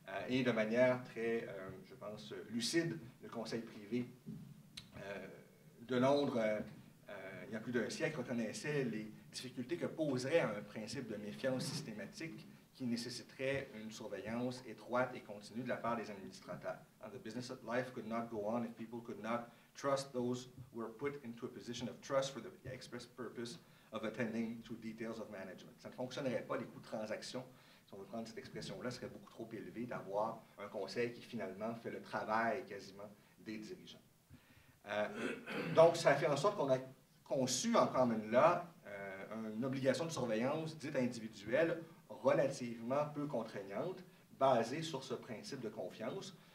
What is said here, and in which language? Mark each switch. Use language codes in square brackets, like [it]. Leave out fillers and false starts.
[fr] Et de manière très, je pense, lucide, le conseil privé de Londres, il y a plus d'un siècle, reconnaissait les difficultés que poserait un principe de méfiance systématique qui nécessiterait une surveillance étroite et continue de la part des administrateurs. [en] And the business of life could not go on if people could not trust those who were put into a position of trust for the express purpose of attending to details of management. [fr] Ça ne fonctionnerait pas, les coûts de transaction, si on veut prendre cette expression-là, serait beaucoup trop élevé d'avoir un conseil qui finalement fait le travail quasiment des dirigeants. Donc, ça fait en sorte qu'on a conçu en common law une obligation de surveillance dite individuelle relativement peu contraignante, basée sur ce principe de confiance.